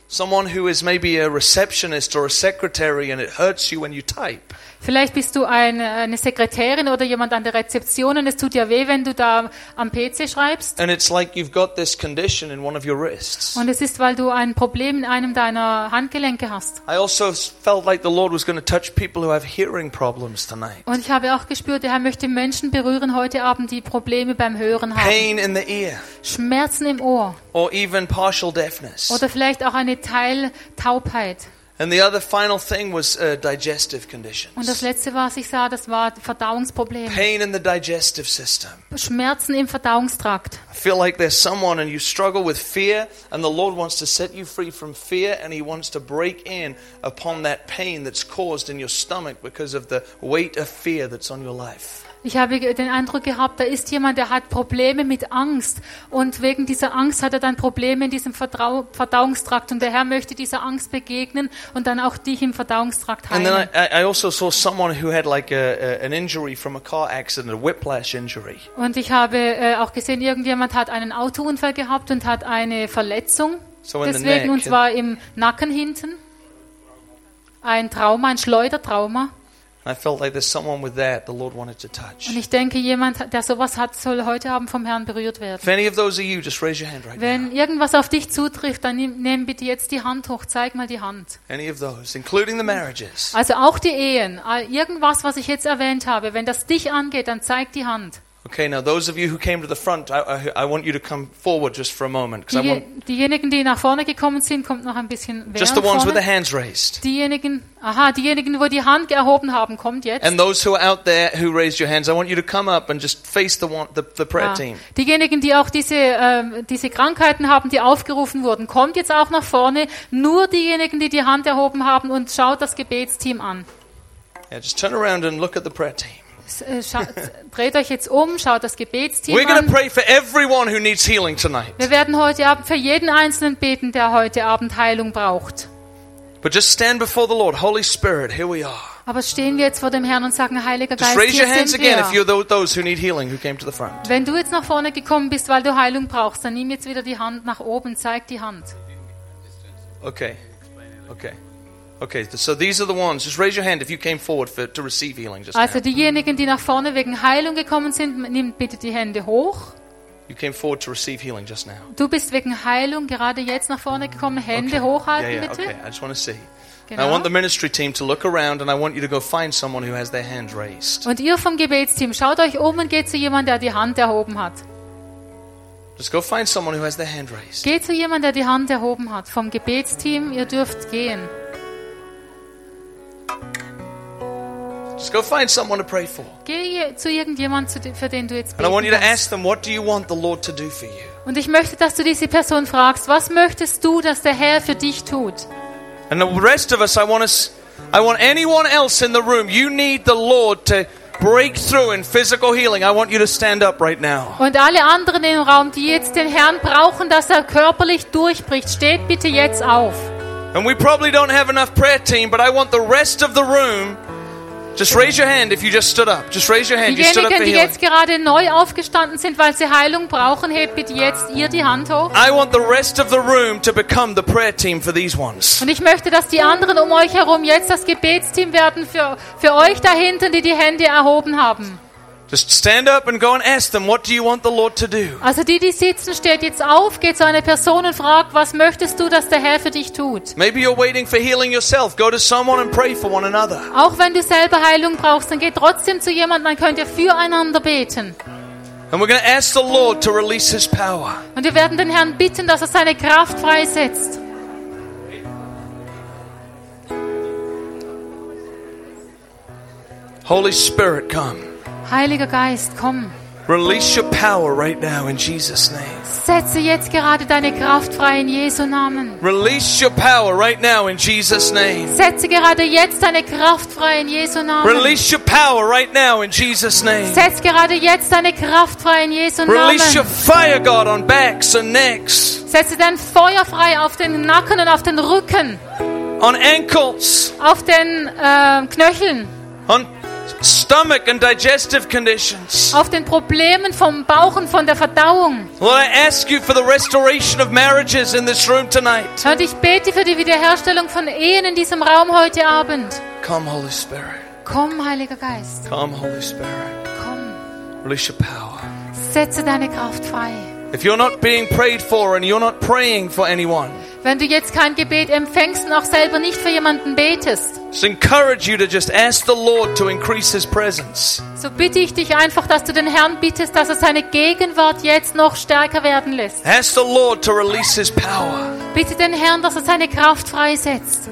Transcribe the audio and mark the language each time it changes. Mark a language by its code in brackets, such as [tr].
[en] Someone who is maybe a receptionist or a secretary and it hurts you when you type. [de] Vielleicht bist du eine Sekretärin oder jemand an der Rezeption und es tut dir weh, wenn du da am PC schreibst. [en] And it's like you've got this condition in one of your wrists. [de] Und es ist, weil du ein Problem in einem deiner Handgelenke hast. [en] I also felt like the Lord was going to touch people who have hearing problems tonight. [de] Und ich habe auch gespürt, der Herr möchte Menschen berühren heute Abend, die Probleme beim Hören haben. [en] Pain in the ear. [de] Schmerzen im Ohr. [en] Or even partial deafness. [de] Oder vielleicht auch eine Teiltaubheit. [en] And the other final thing was digestive conditions. [de] Und das letzte, was ich sah, das war Verdauungsproblem. [en] Pain in the digestive system. [de] Schmerzen im Verdauungstrakt. [en] I feel like there's someone and you struggle with fear and the Lord wants to set you free from fear and he wants to break in upon that pain that's caused in your stomach because of the weight of fear that's on your life. [de] Ich habe den Eindruck gehabt, da ist jemand, der hat Probleme mit Angst und wegen dieser Angst hat er dann Probleme in diesem Verdauungstrakt und der Herr möchte dieser Angst begegnen und dann auch dich im Verdauungstrakt heilen. [en] And then I also saw someone who had like an injury from a car accident, a whiplash injury. [de] Und ich habe auch gesehen, irgendjemand hat einen Autounfall gehabt und hat eine Verletzung, so deswegen und zwar im Nacken hinten. Ein Trauma, ein Schleudertrauma. [en] I felt like there's someone with that the Lord wanted to touch. [de] Und ich denke, jemand, der sowas hat, soll heute Abend vom Herrn berührt werden. [en] If any of those are you, just raise your hand right now. [de] Wenn irgendwas auf dich zutrifft, dann nimm bitte jetzt die Hand hoch, zeig mal die Hand. [en] Any of those, including the marriages. [de] Also auch die Ehen, irgendwas, was ich jetzt erwähnt habe, wenn das dich angeht, dann zeig die Hand. [en] Okay, now those of you who came to the front, I want you to come forward just for a moment. [de] Diejenigen, die nach vorne gekommen sind, kommt noch ein bisschen weiter. [en] Just the ones with the hands raised. [de] Diejenigen, wo die Hand erhoben haben, kommt jetzt. [en] And those who are out there who raised your hands, I want you to come up and just face the prayer team. [de] Diejenigen, die auch diese Krankheiten haben, die aufgerufen wurden, kommt jetzt auch nach vorne. Nur diejenigen, die die Hand erhoben haben, und schaut das Gebetsteam an. [en] Yeah, just turn around and look at the prayer team. [de] Dreht euch jetzt um, schaut das Gebetsteam an. [en] We're going to pray for everyone who needs healing tonight. [de] Wir werden heute Abend für jeden einzelnen beten, der heute Abend Heilung braucht. [en] But just stand before the Lord, Holy Spirit, here we are. [de] Aber stehen wir jetzt vor dem Herrn und sagen, Heiliger Geist, hier sind wir. [en] Just raise your hands again if you're those who need. [de] Wenn du jetzt nach vorne gekommen bist, weil du Heilung brauchst, dann nimm jetzt wieder die Hand nach oben, zeig die Hand. Okay. [en] Okay, so these are the ones. Just raise your hand if you came forward to receive healing. Just [de] also diejenigen, die nach vorne wegen Heilung gekommen sind, nimmt bitte die Hände hoch. [en] You came forward to receive healing just now. [de] Du bist wegen Heilung gerade jetzt nach vorne gekommen. Hände okay. Hochhalten, yeah, bitte. [en] Okay, I just want to see. [de] Genau. [en] I want the ministry team to look around and I want you to go find someone who has their hand raised. [de] Und ihr vom Gebetsteam, schaut euch um und geht zu jemand, der die Hand erhoben hat. [en] Just go find someone who has their hand raised. [de] Geht zu jemand, der die Hand erhoben hat. Vom Gebetsteam, ihr dürft gehen. [en] Just go find someone to pray for. [de] Geh zu irgendjemand, für den du jetzt betest. [en] And I want you to ask them, what do you want the Lord to do for you? [de] Und ich möchte, dass du diese Person fragst, was möchtest du, dass der Herr für dich tut? [en] And the rest of us, I want anyone else in the room. You need the Lord to break through in physical healing. I want you to stand up right now. [de] Und alle anderen im Raum, die jetzt den Herrn brauchen, dass er körperlich durchbricht, steht bitte jetzt auf. [en] And we probably don't have enough prayer team, but I want the rest of the room. Just raise your hand if you just stood up. Just raise your hand. [de] Diejenigen, [en] you stood up for [de] die jetzt gerade neu aufgestanden sind, weil sie Heilung brauchen, hebt jetzt ihr die Hand hoch. [en] I want the rest of the room to become the prayer team for these ones. [de] Und ich möchte, dass die anderen um euch herum jetzt das Gebetsteam werden für euch da hinten, die die Hände erhoben haben. [en] Just stand up and go and ask them, what do you want the Lord to do? [de] Also die sitzen, steht jetzt auf, geht zu einer Person und fragt, was möchtest du, dass der Herr für dich tut? [en] Maybe you're waiting for healing yourself. Go to someone and pray for one another. [de] Auch wenn du selber Heilung brauchst, dann geh trotzdem zu jemandem, dann könnt ihr füreinander beten. [en] And we're going to ask the Lord to release his power. [de] Und wir werden den Herrn bitten, dass er seine Kraft freisetzt. [en] Holy Spirit, come. [de] Heiliger Geist, komm. [en] Release your power right now in Jesus' name. [de] Setze jetzt gerade deine Kraft frei in Jesu Namen. [en] Release your power right now in Jesus' name. [de] Setze gerade jetzt deine Kraft frei in Jesu Namen. [en] Release your power right now in Jesus' name. [de] Setze gerade jetzt deine Kraft frei in Jesu Namen. [en] Release your fire, God, on backs and necks. [de] Setze dein Feuer frei auf den Nacken und auf den Rücken. [en] On ankles. [de] Auf den Knöcheln. [en] On stomach and digestive conditions. [de] Auf den Problemen vom Bauch und von der Verdauung. [en] Lord, I ask you for the restoration of marriages in this room tonight. [de] Und ich bete für die Wiederherstellung von Ehen in diesem Raum heute Abend. [en] Come, Holy Spirit. [de] Komm, Heiliger Geist. [en] Come, Holy Spirit. [de] Komm. [en] Release your power. [de] Setze deine Kraft frei. [en] If you're not being prayed for and you're not praying for anyone. [de] Wenn du jetzt kein Gebet empfängst und auch selber nicht für jemanden betest. [en] So encourage you to just ask the Lord to increase his presence. [de] So bitte ich dich einfach, dass du den Herrn bittest, dass er seine Gegenwart jetzt noch stärker werden lässt. [en] Ask the Lord to release his power. [de] Bitte den Herrn, dass er seine Kraft freisetzt.